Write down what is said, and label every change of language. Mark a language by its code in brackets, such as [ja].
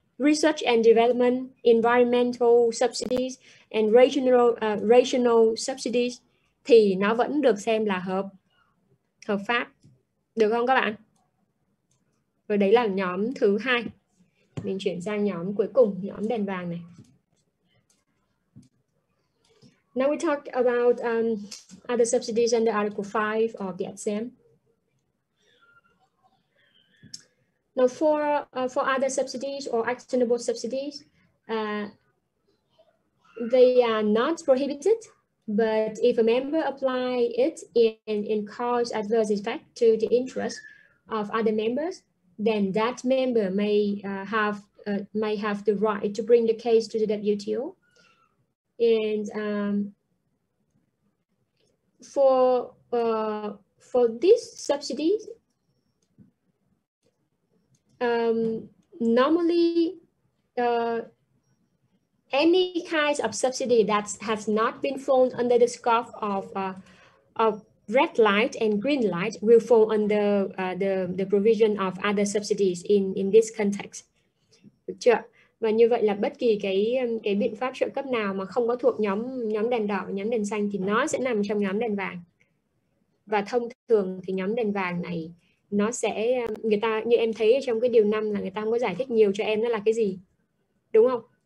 [en] Research and development, environmental subsidies and rational subsidies, [vi] thì nó vẫn được xem là hợp pháp. Được không các bạn? Rồi đấy là nhóm thứ hai. Mình chuyển sang nhóm cuối cùng, nhóm đèn vàng này. [en] Now we talk about other subsidies under Article 5 of the exam. Now for other subsidies or actionable subsidies, they are not prohibited, but if a member apply it and cause adverse effect to the interest of other members, then that member may have the right to bring the case to the WTO. And for these subsidies, normally any kinds of subsidy that has not been formed under the scope of red light and green light will fall under the provision of other subsidies in this context. [vi] Được chưa? Và như vậy là bất kỳ cái biện pháp trợ cấp nào mà không có thuộc nhóm đèn đỏ, nhóm đèn xanh thì nó sẽ nằm trong nhóm đèn vàng. Và thông thường thì nhóm đèn vàng này nó sẽ, người ta, như em thấy trong cái điều 5 là người ta không có giải thích nhiều cho em nó là cái gì, đúng không?